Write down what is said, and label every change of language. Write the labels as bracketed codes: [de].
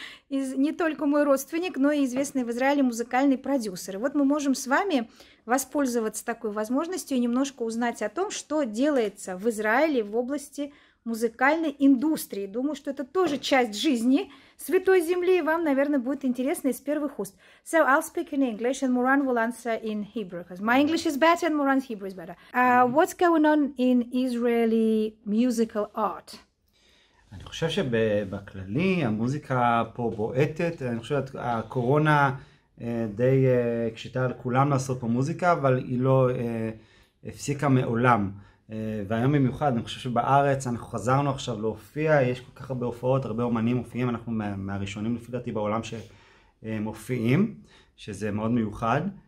[ru] Не только мой родственник, но и известный в Израиле музыкальный продюсер. И вот мы можем с вами воспользоваться такой возможностью и немножко узнать о том, что делается в Израиле в области музыкальной индустрии. Думаю, что это тоже часть жизни Святой Земли, и вам, наверное, будет интересно из первых уст. [en] So I'll speak in English and Moran will answer in Hebrew, because my English is better and Moran's Hebrew is better. What's going on in Israeli musical art? [he] אני חושב שבכללי המוזיקה פה בועטת, אני חושב שהקורונה די הקשתה על כולם לעשות פה מוזיקה, אבל היא לא הפסיקה מעולם. והיום במיוחד, אני חושב שבארץ אנחנו חזרנו עכשיו להופיע, יש כל כך הרבה הופעות, הרבה אומנים מופיעים, אנחנו מהראשונים לפי דעתי בעולם שמופיעים, שזה מאוד מיוחד.